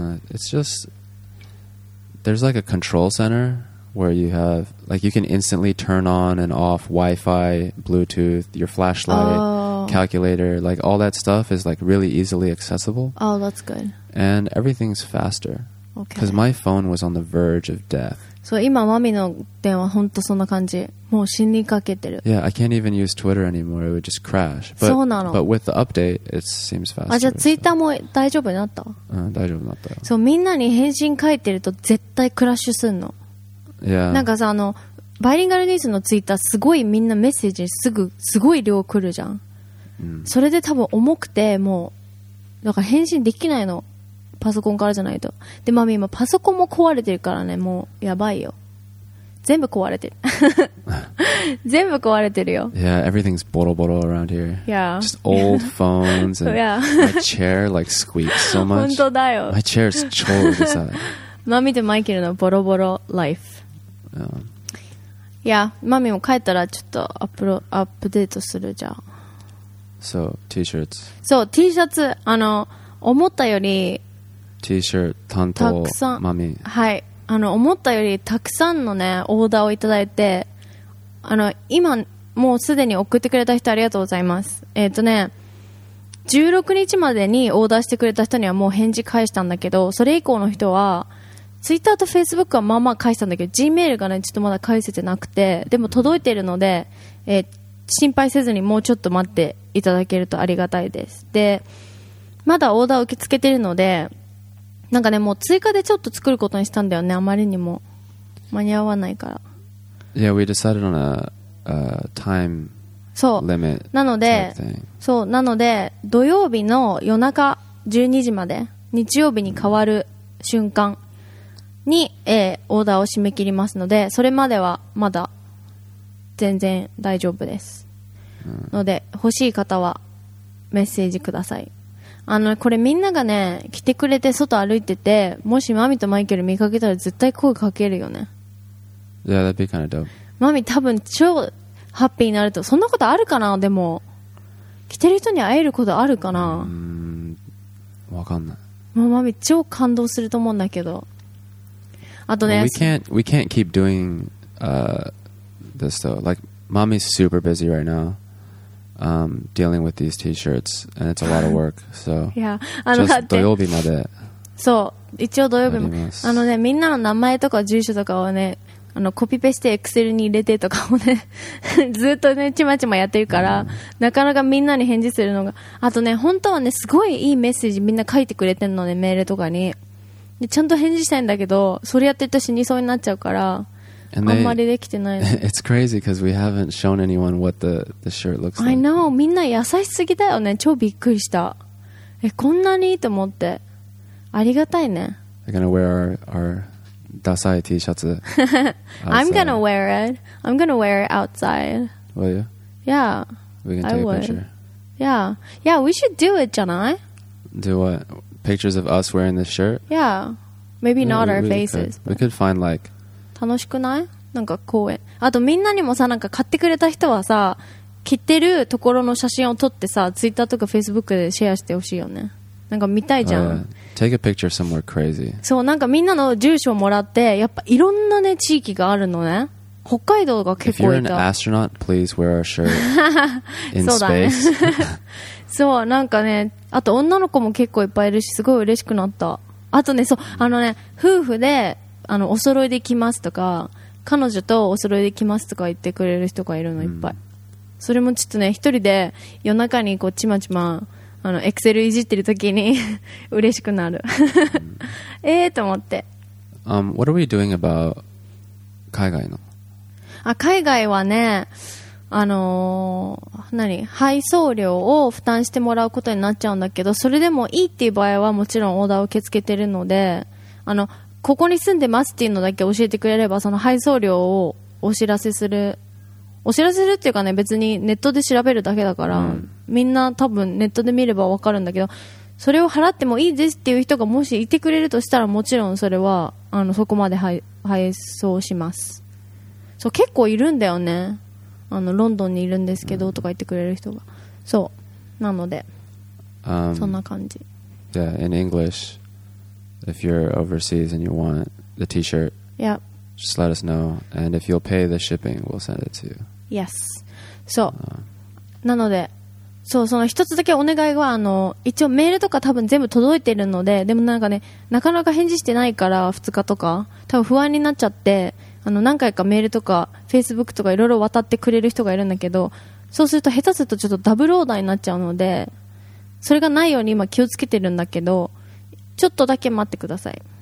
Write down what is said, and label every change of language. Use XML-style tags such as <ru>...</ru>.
<en>It's just there's like a control center where you have like you can instantly turn on and off Wi-Fi, Bluetooth, your flashlight, calculator, like all that stuff is like really easily accessible. Oh, that's good. And everything's faster. Okay. Because my phone was on the verge of death.</en> <ja>So 今マミの電話本当そんな感じ。もう死にかけてる。</ja> <en>Yeah, I can't even use Twitter anymore. It would just crash.</en> <ja>But, そうなの。</ja> <en>But with the update, it seems faster.</en> <ja>あ、じゃあ Twitter も大丈夫になった? うん、大丈夫になったよ。そう、みんなに返信書いてると絶対クラッシュすんの。</ja> <en>Yeah.</en> <ja>なんかさ、あのバイリンガルニュースの Twitter すごいみんなメッセージすぐすごい量来るじゃん。それで多分重くてもうだから返信できないの。パソコンからじゃないと。で、マミ今パソコンも壊れてるからね、もうやばいよ。全部壊れてる。全部壊れてるよ。</ja> <en>Yeah, everything's</en> <ja>ボロボロ</ja> <en>around here. Yeah. Just old phones and yeah. My chair like squeaks so much.</en> <ja>本当だよ。</ja> <en>My chair is</en> <ja>超うるさい。マミとマイケルのボロボロ life.</ja> <en>Yeah.</en> <ja>Yeah, マミも帰ったらちょっとアップデートするじゃん。</ja> <en>So, T-shirts.</en> <ja>そう、T シャツ、あの、思ったより T シャツ担当たくさんマミ、はい、あの思ったよりたくさんのねオーダーをいただいて、あの今もうすでに送ってくれた人ありがとうございます。 16日までにオーダーしてくれた人にはもう返事返したんだけど、それ以降の人はツイッターとフェイスブックはまあまあ返したんだけど、 Gmail がねちょっとまだ返せてなくて、でも届いてるので、心配せずにもうちょっと待っていただけるとありがたいです。でまだオーダー受け付けてるので、なんかね、もう追加でちょっと作ることにしたんだよね、あまりにも間に合わないから。</ja> <en>Yeah, we decided on a time limit.</en> <ja>そうなので、そうなので、土曜日の夜中12時まで、日曜日に変わる瞬間に、オーダーを締め切りますので、それまではまだ全然大丈夫です、ので欲しい方はメッセージください。あのこれみんながね来てくれて外歩いてて、もしマミとマイケル見かけたら絶対声かけるよね。</ja> <en>Yeah, that'd be kind of dope.</en> <ja>マミ多分超ハッピーになると。そんなことあるかな。でも来てる人に会えることあるかな。わかんない。もうマミ超感動すると思うんだけど。あとね、</ja> <en>well, we can't keep doing this though. Like, mommy's super busy right now, dealing with these T-shirts, and it's a lot of work. So, yeah,</en> <ja>just 土曜日まで。そう、一応土曜日も。あのね、みんなの名前とか住所とかをね、あのコピペしてエクセルに入れてとかをね、ずっとねちまちまやってるから、なかなかみんなに返事するのが、あとね、本当はねすごいいいメッセージみんな書いてくれてるのね、メールとかに。でちゃんと返事したいんだけど、それやってると死にそうになっちゃうから、</ja> <en>and、</en> <ja>あんまりできてない。</ja> <en>It's crazy because we haven't shown anyone what the shirt looks like. I know、</en> <ja>みんな優しすぎだよね、超びっくりした。え、こんなにいいと思って、ありがたいね。</ja> <en>They're gonna wear our</en> <ja>ダサい T シャツ。</ja> <en>I'm gonna wear it. I'm gonna wear it outside. Will you? Yeah. We can take a picture. Yeah. Yeah. We should do it,</en> <ja>じゃない?</ja> <en>Do what? Pictures of us wearing this shirt? Yeah. Maybe not our faces. We could find like...</en> <ja>楽しくない?なんか公園。あとみんなにもさ、なんか買ってくれた人はさ、着てるところの写真を撮ってさ、Twitter とか Facebook でシェアしてほしいよね。なんか見たいじゃん。</ja> <en>Take a picture somewhere crazy.</en> <ja>そう、なんかみんなの住所をもらって、やっぱいろんなね、地域があるのね。北海道が結構いた。</ja> <en>If you're an astronaut, please wear our shirt in space.</en> <ja>そうだね。そう、なんかね、あと女の子も結構いっぱいいるし、すごい嬉しくなった。あとね、そう、あのね、夫婦で、あの、お揃いで来ますとか、彼女とお揃いで来ますとか言ってくれる人がいるの、いっぱい。それもちょっとね、一人で夜中にこう、ちまちま、あの、エクセルいじってる時に、嬉しくなる。ええと思って。</ja> <en>What are we doing about</en> <ja>海外の? あ、海外はね、何? 配送料を負担してもらうことになっちゃうんだけど、それでもいいっていう場合はもちろんオーダーを受け付けてるので、あの、ここに住んでますっていうのだけ教えてくれれば、その配送料をお知らせする。お知らせするっていうかね、別にネットで調べるだけだから、みんな多分ネットで見ればわかるんだけど、それを払ってもいいですっていう人がもしいてくれるとしたら、もちろんそれは、あの、そこまで配送します。そう、結構いるんだよね。あの、ロンドンにいるんですけどとか言ってくれる人が、そうなので、そんな感じ。</ja> <en>Yeah, in English, if you're overseas and you want the T-shirt, yeah, just let us know. And if you'll pay the shipping, we'll send it to you. Yes,</en> <ja>そう。なので、そう、その一つだけお願いは、あの、一応メールとか多分全部届いてるので、でもなんかね、なかなか返事してないから2日とか、多分不安になっちゃって。あの、何回かメールとか、Facebook とかいろいろ渡ってくれる人がいるんだけど、そうすると下手するとちょっとダブルオーダーになっちゃうので、それがないように今気をつけてるんだけど、ちょっとだけ待ってください。</ja>